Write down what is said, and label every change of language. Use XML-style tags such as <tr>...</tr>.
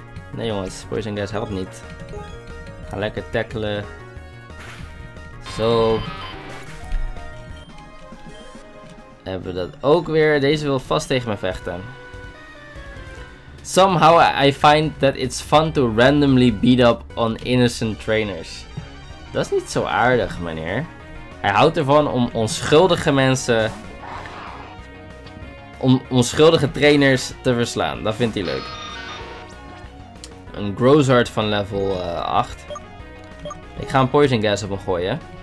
<nl>Nee jongens, Poison Gas helpt niet. Ga lekker tackelen. Zo. Hebben we dat ook weer. Deze wil vast tegen me vechten.</nl> <en>Somehow I find that it's fun to randomly beat up on innocent trainers.</en> <nl>Dat is niet zo aardig, meneer. Hij houdt ervan om onschuldige mensen, om onschuldige trainers te verslaan. Dat vindt hij leuk. Een Grozard van level 8. Ik ga een Poison Gas op hem gooien.</nl>